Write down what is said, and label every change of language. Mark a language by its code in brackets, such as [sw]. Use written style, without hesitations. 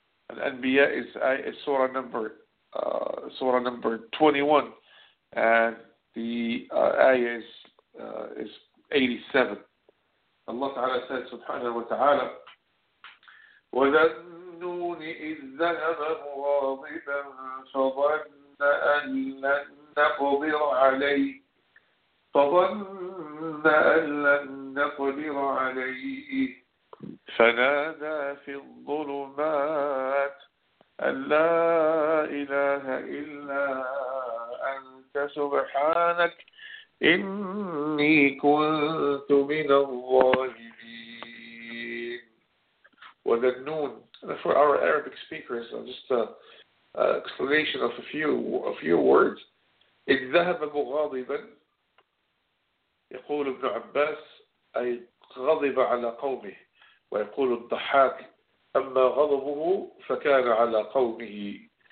[en] Al-Anbiya is Surah number 21, and the ayah is 87. Allah Ta'ala says, Subhanahu wa Ta'ala, [ar] وَذَنُّونِ إِذْ ذَهَبَ مُغَاضِبًا فَظَنَّ أن لن نقدر عليه فنادى في الظلمات أن لا إله إلا أنت سبحانك إني كنت من الظالمين. [en] وذنون, for our Arabic speakers, explanation of a few words. [ar] إِذْ ذَهَبَ مُغَاضِبًا يقول ابن عباس أي غضب على قومه ويقول الضحاك أما غضبه فكان على قومه.